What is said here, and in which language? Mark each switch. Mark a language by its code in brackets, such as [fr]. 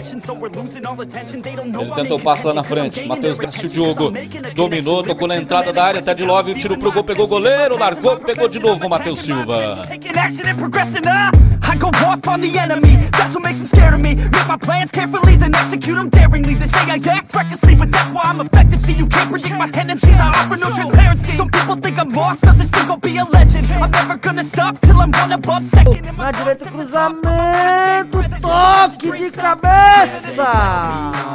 [pt] Ele tentou o passe lá na frente. Matheus Garcia, o Diogo dominou, tocou na entrada da área. Ted Love, o tiro pro gol, pegou o goleiro, largou, pegou de novo o Matheus Silva. [en] I go off on the enemy, that's what makes them scared of me. Make my plans carefully, then execute them daringly. They say I act recklessly, but that's why I'm effective. See, you can't predict my tendencies, I offer no transparency. Some people think I'm lost, others think I'll be a legend. I'm never gonna stop till I'm one above second. [pt] Na direita, cruzamento, toque de cabeça.